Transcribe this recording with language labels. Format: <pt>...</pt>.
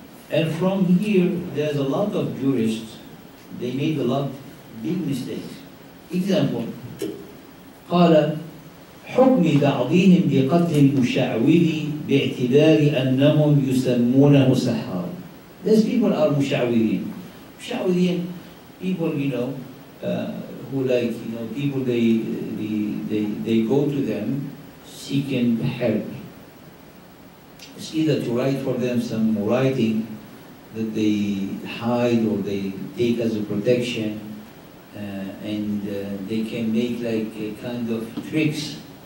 <en>And from here, there's a lot of jurists, they made a lot of big mistakes. Example,</en> <ar>قال حكم بعضهم بقتل المشعوذي باعتبار أنهم يسمونه سحار.</ar> <en>These people are مشعوذين. مشعوذين, people, you know, who like, you know, people, they go to them seeking help. It's either to write for them some writing that they hide or they take as a protection, and they can make like a kind of tricks.</en>